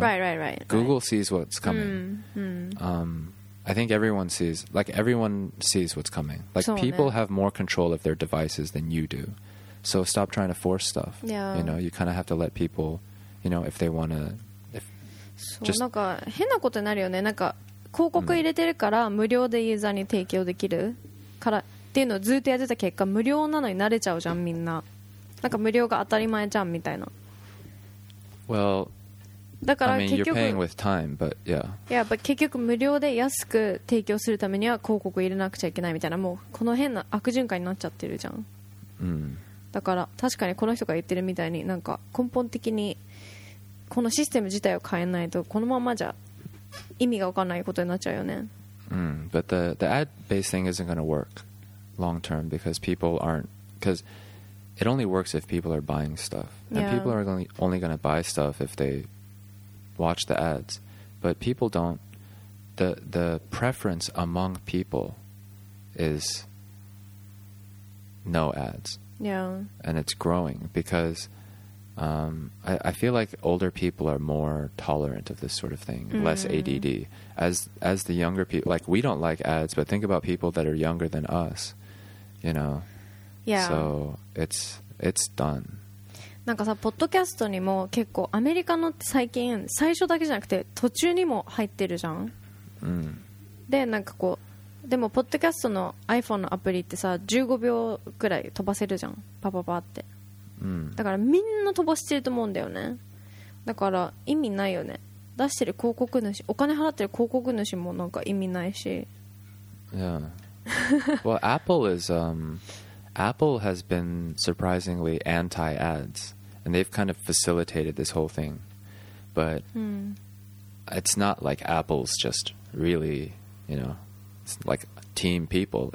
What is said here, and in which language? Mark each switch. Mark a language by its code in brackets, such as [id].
[en] Right. Google sees what's coming. I think everyone sees what's coming. Like so people have more control of their devices than you do. So stop trying to force stuff. Yeah. You know, you kind of have to let people, you know, if they want to, [ja] なんか変なことになるよね。なんか広告入れてるから無料でユーザーに提供できるからっていうのをずっとやってた結果無料なのに慣れちゃうじゃんみんな。なんか無料が当たり前じゃんみたいな。 [en] Well, [ja] だから結局 [en] I mean, you're paying with time, but yeah. Yeah, but [ja] 結局無料で安く提供するためには広告入れなくちゃいけないみたいなもうこの変な悪循環になっちゃってるじゃん。だから確かにこの人が言ってるみたいになんか根本的にこのシステム自体を変えないとこのままじゃ意味が分かんないことになっちゃうよね。 [en] But the ad based thing isn't going to work long term because people aren't because it only works if people are buying stuff. Yeah. And people are only going to buy stuff if they watch the ads. But people don't. The preference among people is no ads. Yeah. And it's growing because I feel like older people are more tolerant of this sort of thing, less ADD. As the younger people, like, we don't like ads, but think about people that are younger than us, you know. Yeah. So it's done. [ja] なんかさ、ポッドキャストにも結構アメリカのって最近最初だけじゃなくて途中にも入ってるじゃん、でなんかこう、でもポッドキャストの iPhone のアプリってさ15秒くらい飛ばせるじゃん、パパパって、だからみんな飛ばしてると思うんだよね。だから意味ないよね、出してる広告主、お金払ってる広告主もなんか意味ないし。 [en] Yeah. Well, Apple is Apple has been surprisingly anti-ads, and they've kind of facilitated this whole thing. But it's not like Apple's just really, you know, it's like team people.